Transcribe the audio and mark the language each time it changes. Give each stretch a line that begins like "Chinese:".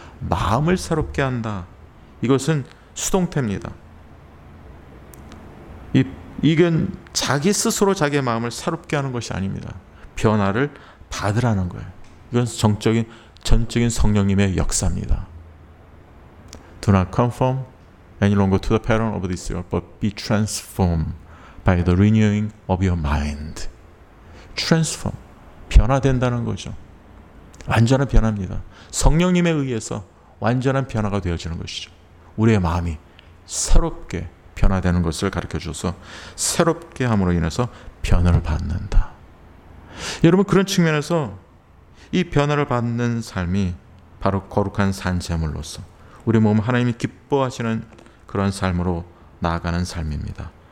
Korean: 마음을 새롭게 한다. 이것은 수동태입니다. 이건 자기 스스로 자기의 마음을 새롭게 하는 것이 아닙니다. 변화를 받으라는 거예요. 이건 정적인 전적인 성령님의 역사입니다.
English: Do not conform any longer to the pattern of this world, but be transformed by the renewing of your mind.
Korean: Transform. 변화된다는 거죠. 완전한 변화입니다. 성령님에 의해서 완전한 변화가 되어지는 것이죠. 우리의 마음이 새롭게 변화되는 것을 가르쳐주셔서 새롭게 함으로 인해서 변화를 받는다. 여러분 그런 측면에서 이 변화를 받는 삶이 바로 거룩한 산제물로서 우리 몸 하나님이 기뻐하시는 그런 삶으로 나아가는 삶입니다.